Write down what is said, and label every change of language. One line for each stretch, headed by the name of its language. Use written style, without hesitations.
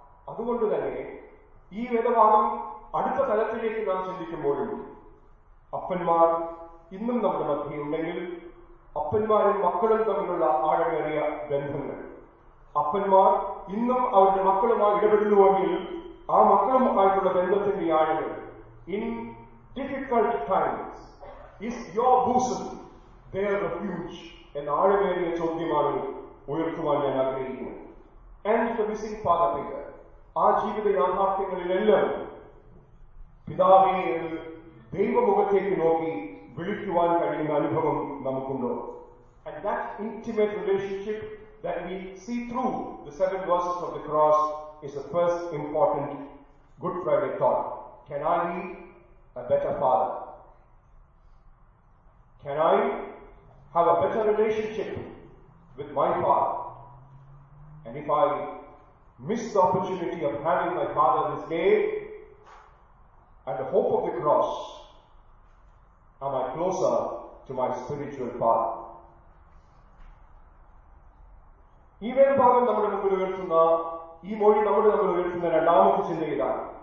Malayalam: അതുകൊണ്ട് തന്നെ ഈ വേദഭാഗം അടുത്ത തലത്തിലേക്ക് നാം ചിന്തിക്കുമ്പോഴും അപ്പന്മാർ ഇന്നും നമ്മുടെ മധ്യേ ഉണ്ടെങ്കിൽ അപ്പന്മാരും മക്കളും തമ്മിലുള്ള ആഴമേറിയ ബന്ധങ്ങൾ, അപ്പന്മാർ ഇന്നും അവരുടെ മക്കളുമായി ഇടപെടുന്നുവെങ്കിൽ ആ മക്കളുമായിട്ടുള്ള ബന്ധത്തിന്റെ ആഴങ്ങൾ.
English: In difficult times, is your bosom their refuge?
Malayalam: എന്ന ആഴമേറിയ ചോദ്യമാണ് ഉയർത്തുവാൻ ഞാൻ ആഗ്രഹിക്കുന്നത്.
English: And the missing father figure,
Malayalam: ആ ജീവിത യാഥാർത്ഥ്യങ്ങളിലെല്ലാം പിതാവിനെ ദൈവമുഖത്തേക്ക് നോക്കി വിളിക്കുവാൻ കഴിയുന്ന അനുഭവം നമുക്കുണ്ടോ?
English: And that intimate relationship that we see through the seven verses of the cross is the first important Good Friday thought. Can I be a better father? Can I have a better relationship with my father? And if I miss the opportunity of having my father this day, at the hope of the cross, am I closer to my spiritual father?
Malayalam: ഈ വേദഭാഗം നമ്മുടെ മുമ്പിൽ ഉയർത്തുന്ന ഈ മൊഴി നമ്മുടെ നമ്മൾ ഉയർത്തുന്ന രണ്ടാമത്തെ ചിന്തയിലാണ്.